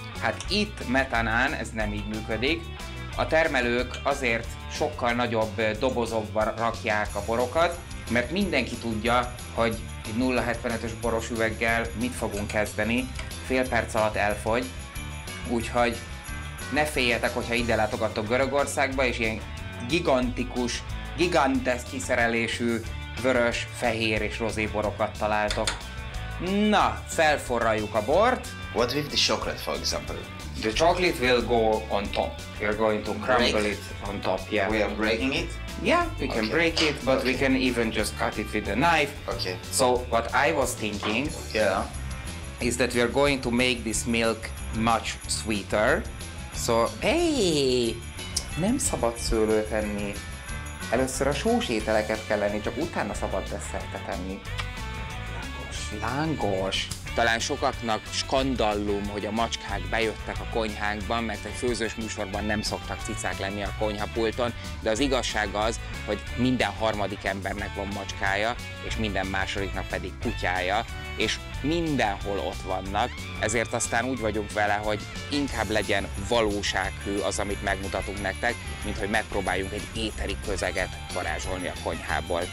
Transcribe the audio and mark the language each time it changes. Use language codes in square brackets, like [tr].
[hu] Hát itt metanán ez nem így működik. A termelők azért sokkal nagyobb dobozokban rakják a borokat, mert mindenki tudja, hogy egy 0,75-ös boros üveggel mit fogunk kezdeni. Fél perc alatt elfogy, úgyhogy ne féljetek, hogyha ide látogattok Görögországba, és ilyen gigantikus, gigantes kiszerelésű vörös, fehér és rozé borokat találtok. Na, felforraljuk a bort. [en] What with the chocolate, for example? The chocolate will go on top. We are going to crumble break. It on top, yeah. We are breaking it? Yeah, we okay. Can break it, but okay. We can even just cut it with a knife. Okay. So, what I was thinking, yeah, is that we are going to make this milk much sweeter. So, hey, [hu] nem szabad szőlőt enni. Először a sós ételeket kell enni, csak utána szabad desszertet enni. Lángos. Talán sokaknak skandallum, hogy a macskák bejöttek a konyhánkban, mert egy főzős műsorban nem szoktak cicák lenni a konyhapulton, de az igazság az, hogy minden harmadik embernek van macskája, és minden másodiknak pedig kutyája, és mindenhol ott vannak, ezért aztán úgy vagyunk vele, hogy inkább legyen valósághű az, amit megmutatunk nektek, mint hogy megpróbáljunk egy éteri közeget varázsolni a konyhából.